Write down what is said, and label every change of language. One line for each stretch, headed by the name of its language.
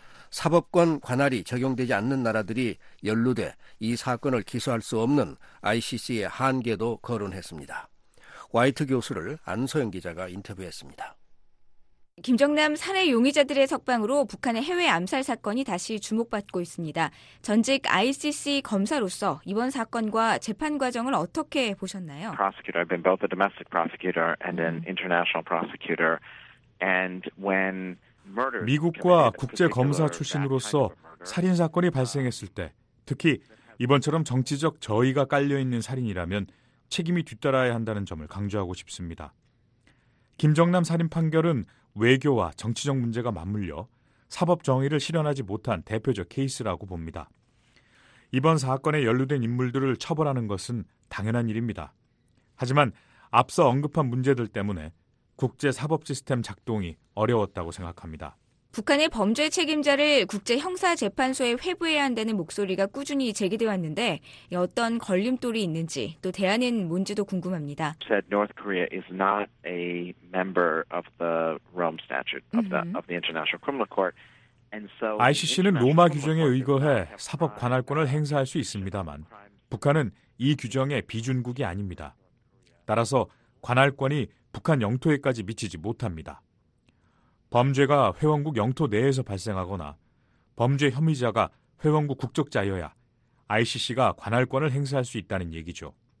Korean: 사법권 관할이 적용되지 않는 나라들이 연루돼 이 사건을 기소할 수 없는 ICC의 한계도 거론했습니다. 화이트 교수를 안소영 기자가 인터뷰했습니다. 김정남 살해 용의자들의 석방으로 북한의 해외 암살 사건이 다시 주목받고 있습니다. 전직 ICC 검사로서 이번 사건과 재판 과정을 어떻게 보셨나요?
English: Prosecutor, I've been both a domestic prosecutor and an international prosecutor. And when murder
Korean: 미국과 국제 검사 출신으로서 살인 사건이 발생했을 때, 특히 이번처럼 정치적 저의가 깔려 있는 살인이라면 책임이 뒤따라야 한다는 점을 강조하고 싶습니다. 김정남 살인 판결은 외교와 정치적 문제가 맞물려 사법 정의를 실현하지 못한 대표적 케이스라고 봅니다. 이번 사건에 연루된 인물들을 처벌하는 것은 당연한 일입니다. 하지만 앞서 언급한 문제들 때문에 국제 사법 시스템 작동이 어려웠다고 생각합니다. 북한의 범죄 책임자를 국제형사재판소에 회부해야 한다는 목소리가 꾸준히 제기돼 왔는데 어떤 걸림돌이 있는지 또 대안은 뭔지도 궁금합니다.
English: Said North Korea is not a member of the Rome Statute of the International Criminal Court. And so
Korean: ICC는 로마 규정에 의거해 사법 관할권을 행사할 수 있습니다만 북한은 이 규정의 비준국이 아닙니다. 따라서 관할권이 북한 영토에까지 미치지 못합니다. 범죄가 회원국 영토 내에서 발생하거나 범죄 혐의자가 회원국 국적자여야 ICC가 관할권을 행사할 수 있다는 얘기죠.